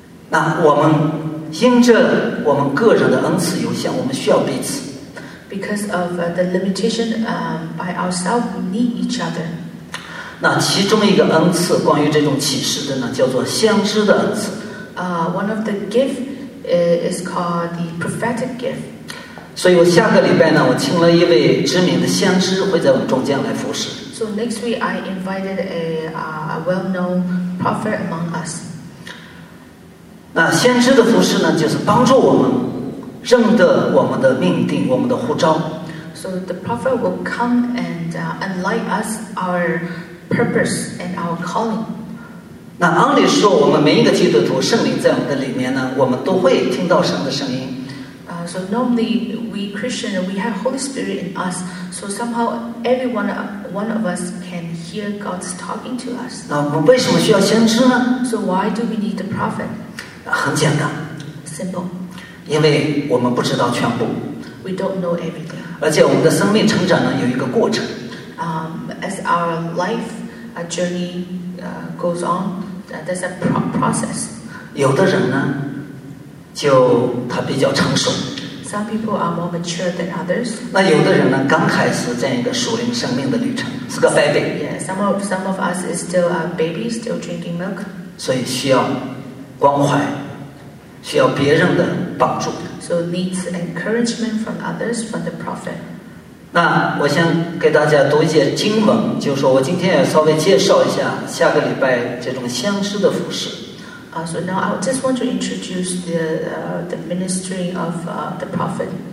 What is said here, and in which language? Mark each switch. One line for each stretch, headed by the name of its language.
Chinese: 那我们。因着我们个人的恩赐有限，我们需要彼此。
English: Because of the limitation, by ourselves, we need each other.
Chinese: 那其中一个恩赐，关于这种启示的呢，叫做先知的恩赐。
English: One of the gift is called the prophetic gift.
Chinese: 所以我下个礼拜呢，我请了一位知名的先知会在我们中间来服侍。
English: So next week, I invited a well-known prophet among us.
Chinese: 那先知的服事呢，就是帮助我们认得我们的命定，我们的呼召。
English: So the prophet will come and enlighten us our purpose and our calling.
Chinese: 那按理说，我们每一个基督徒，圣灵在我们的里面呢，我们都会听到神的声音。
English: So normally we Christian we have Holy Spirit in us. So somehow everyone of us can hear God's talking to us.
Chinese: 那我们为什么需要先知呢
English: ？So why do we need the prophet?
Chinese: 很简单
English: ，simple，
Chinese: 因为我们不知道全部
English: ，we don't know everything，
Chinese: 而且我们的生命成长呢有一个过程
English: ，as our life a journey goes on， there's a process。
Chinese: 有的人呢，就他比较成熟
English: ，some people are more mature than others。
Chinese: 那有的人呢，刚开始这样一个属灵生命的旅程，是个 baby。
English: Yeah， some of us is still a baby， still drinking milk。
Chinese: 所以需要关怀，需要别人的帮助。
English: So needs encouragement from others, from the prophet.
Chinese: 那我先给大家读一些经文，就是说我今天也稍微介绍一下下个礼拜这种先知的服事。
English: So now I just want to introduce the ministry of the prophet.